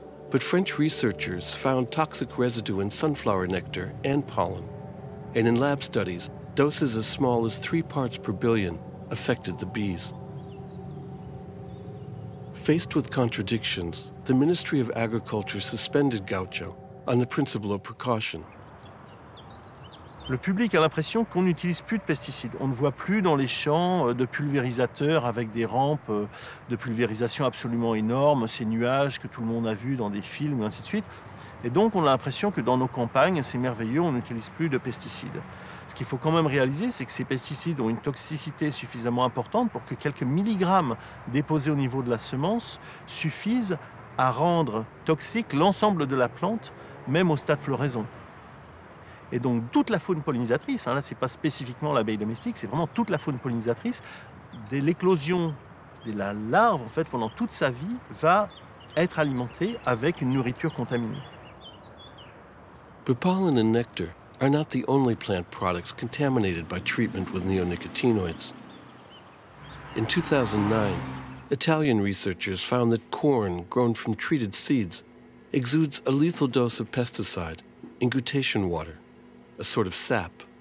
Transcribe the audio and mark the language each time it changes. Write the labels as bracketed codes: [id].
[en] But French researchers found toxic residue in sunflower nectar and pollen. And in lab studies, doses as small as 3 parts per billion affected the bees. Faced with contradictions, the Ministry of Agriculture suspended Gaucho on the principle of precaution. [fr] Le public a l'impression qu'on n'utilise plus de pesticides. On ne voit plus dans les champs de pulvérisateurs avec des rampes de pulvérisation absolument énormes, ces nuages que tout le monde a vus dans des films, et ainsi de suite. Et donc, on a l'impression que dans nos campagnes, c'est merveilleux, on n'utilise plus de pesticides. Ce qu'il faut quand même réaliser, c'est que ces pesticides ont une toxicité suffisamment importante pour que quelques milligrammes déposés au niveau de la semence suffisent à rendre toxique l'ensemble de la plante, même au stade floraison. Et donc, toute la faune pollinisatrice, hein, là, ce n'est pas spécifiquement l'abeille domestique, c'est vraiment toute la faune pollinisatrice, dès l'éclosion de la larve, en fait, pendant toute sa vie, va être alimentée avec une nourriture contaminée. [en] But pollen and nectar are not the only plant products contaminated by treatment with neonicotinoids. In 2009, Italian researchers found that corn grown from treated seeds exudes a lethal dose of pesticide in gutation water, a sort of sap.